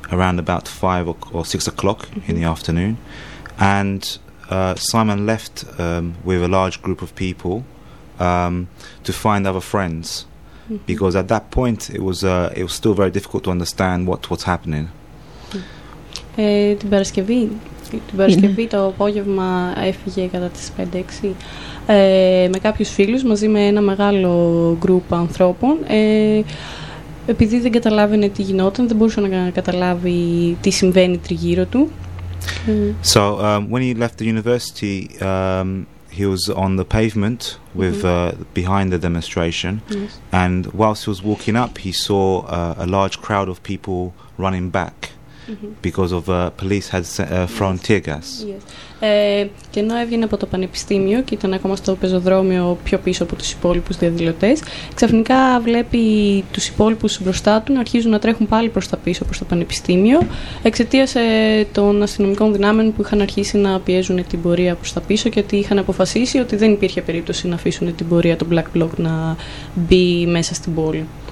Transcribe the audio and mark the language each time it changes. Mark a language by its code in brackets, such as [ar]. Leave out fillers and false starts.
[en] around about 5 or 6 o'clock mm-hmm. in the afternoon. And Simon left with a large group of people to find other friends. Mm-hmm. Because at that point, it was still very difficult to understand what's happening. [el] Την Παρασκευή. Την Παρασκευή το απόγευμα έφυγε κατά τις 5-6 με κάποιους φίλους μαζί με ένα μεγάλο γκρουπ ανθρώπων. Επειδή δεν καταλάβαινε τι γινόταν, δεν μπορούσε να καταλάβει τι συμβαίνει τριγύρω του. [en] So, when he left the university, he was on the pavement with behind the demonstration. Yes. And whilst he was walking up, he saw a large crowd of people running back. Mm-hmm. Because of police had thrown tear gas. [el] Και ενώ έβγαινε από το πανεπιστήμιο και ήταν ακόμα στο πεζοδρόμιο πιο πίσω από τους υπόλοιπους διαδηλωτές, ξαφνικά βλέπει τους υπόλοιπους μπροστά του να αρχίζουν να τρέχουν πάλι προς τα πίσω προς το πανεπιστήμιο, εξαιτίας των αστυνομικών δυνάμεων που είχαν αρχίσει να πιέζουν την πορεία προς τα πίσω και ότι είχαν αποφασίσει ότι δεν υπήρχε περίπτωση να αφήσουν την πορεία των Black Bloc να μπει μέσα στην πόλη.